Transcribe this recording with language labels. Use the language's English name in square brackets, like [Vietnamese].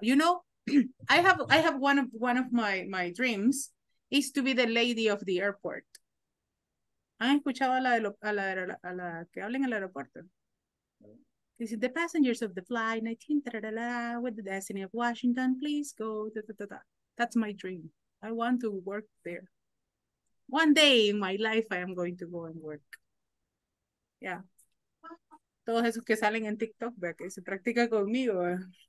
[English] You know, I have one of my dreams is to be the lady of the airport. [Spanish] ¿Han escuchado a la que hablen en el aeropuerto? [English] Is it the passengers of the flight 19 with the destiny of Washington, please go. That's my dream. I want to work there. One day in my life, I am going to go and work. Yeah. [Spanish] Todos esos que salen en TikTok, ¿verdad? Que se practica conmigo.